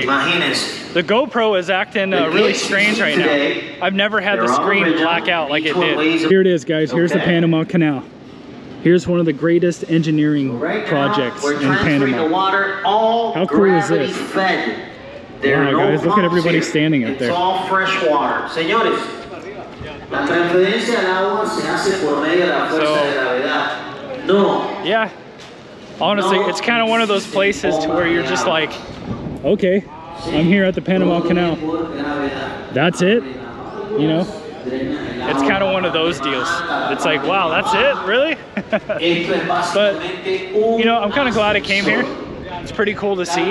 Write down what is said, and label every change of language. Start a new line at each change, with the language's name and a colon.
English: The GoPro is acting really strange right now. I've never had the screen black out like it did. Here it is, guys. Here's the Panama Canal. Here's one of the greatest engineering projects in Panama. How cool is this? Wow, guys, look at everybody standing out there. It's all fresh water.
Spanish: Señores, la transferencia del agua se hace por medio de la fuerza de gravedad.
English: No. Yeah. Honestly, it's kind of one of those places to where you're just like, okay, I'm here at the Panama Canal. That's it? You know? It's kind of one of those deals. It's like, wow, that's it? Really? But, you know, I'm kind of glad I came here. It's pretty cool to see.